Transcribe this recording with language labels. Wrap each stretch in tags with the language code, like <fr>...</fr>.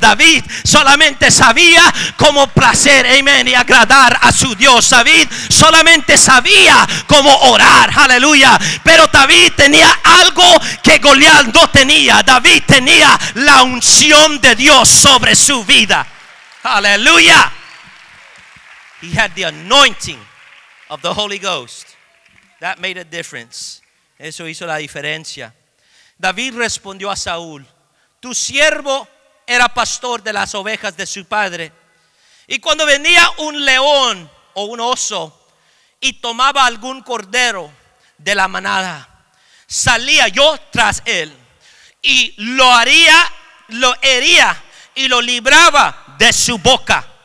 <es>David solamente sabía cómo placer, amén, y agradar a su Dios. David solamente sabía cómo orar, aleluya. Pero David tenía algo que Goliat no tenía. David tenía la unción de Dios sobre su vida. Aleluya.</es> <en>He had the anointing of the Holy Ghost. That made a difference.</en> <es>Eso hizo la diferencia. David respondió a Saúl: tu siervo era pastor de las ovejas de su padre, y cuando venía un león o un oso y tomaba algún cordero de la manada, salía yo tras él y lo hería y lo libraba de su boca.</es>